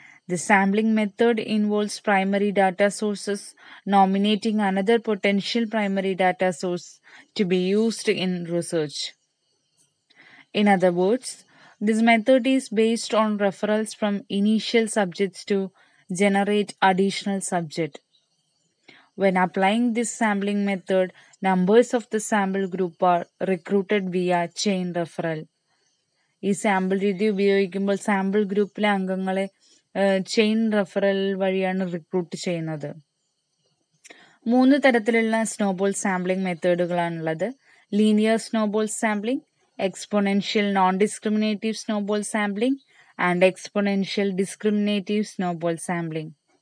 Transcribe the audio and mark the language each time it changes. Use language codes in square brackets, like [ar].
[en] The sampling method involves primary data sources nominating another potential primary data source to be used in research. In other words, this method is based on referrals from initial subjects to generate additional subject. When applying this sampling method, numbers of the sample group are recruited via chain referral. [ml] ഈ sample രീതി ഉപയോഗിക്കുമ്പോൾ sample ഗ്രൂപ്പിലെ അംഗങ്ങളെ chain referral വഴിയാണ് recruit ചെയ്യുന്നത്. മൂന്ന് തരത്തിലുള്ള snowball sampling മെത്തേഡുകളാണുള്ളത്: linear snowball sampling, exponential non discriminative snowball sampling and exponential discriminative snowball sampling.